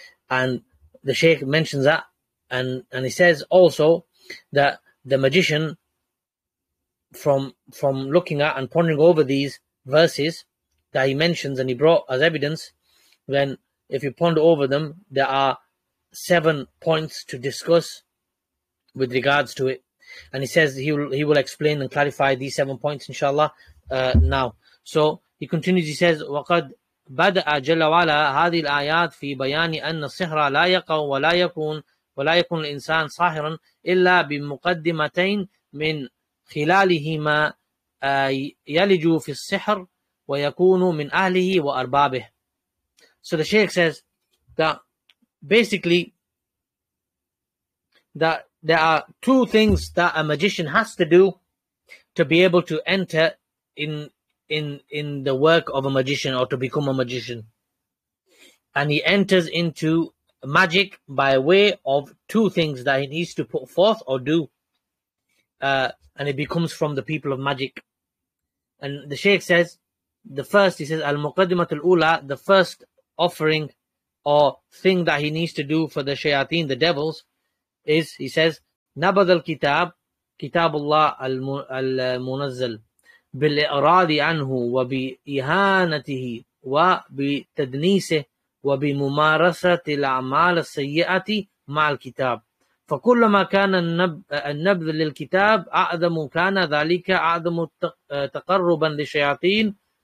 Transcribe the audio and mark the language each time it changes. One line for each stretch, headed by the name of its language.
English: And the Shaykh mentions that, and he says also that the magician, from looking at and pondering over these verses that he mentions and he brought as evidence, then if you ponder over them, there are 7 points to discuss with regards to it. And he says he will explain and clarify these 7 points, inshallah, now. So he continues, he says,
Arabic: وَقَدْ بدأ جل وعلا هذه الآيات في بيان أن السحر لا يقع ولا يكون الإنسان ساحرا إلا بمقدمتين من خلالهما يلج في السحر ويكون من أهله وأربابه.
English: So the Shaykh says that basically that there are two things that a magician has to do to be able to enter in the work of a magician or to become a magician. And he enters into magic by way of two things that he needs to put forth or do. And it becomes from the people of magic. And the Shaykh says, he says,
Arabic: Al-Muqaddimat al-Ula,
English: the first offering or thing that he needs to do for the shayateen, the devils, is, he says,
Arabic: Nabad al-Kitab, Kitabullah al-Munazzal. بالإعراض عنه وبإهانته وبتدنيسه وبممارسة الأعمال السيئة مع الكتاب فكلما كان النبذ للكتاب أعظم كان ذلك أعظم تقربا للشياطين